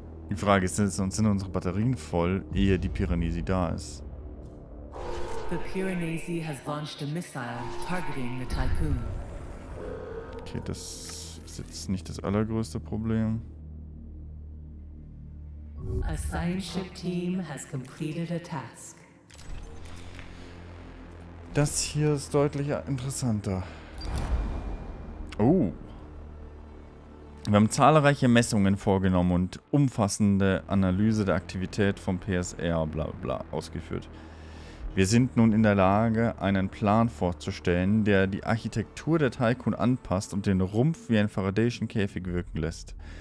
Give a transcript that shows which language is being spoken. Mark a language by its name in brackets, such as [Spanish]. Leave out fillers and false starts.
[German] Die Frage ist, sind unsere Batterien voll, ehe die Pyrenäen da ist? [English] The Piranesi has launched a missile targeting the Tycoon. [German] Okay, das ist jetzt nicht das allergrößte Problem. [English] A science ship team has completed a task. [German] Das hier ist deutlich interessanter. Oh. Wir haben zahlreiche Messungen vorgenommen und umfassende Analyse der Aktivität vom PSR bla bla ausgeführt. Wir sind nun in der Lage, einen Plan vorzustellen, der die Architektur der Tycoon anpasst und den Rumpf wie ein Faradayschen Käfig wirken lässt.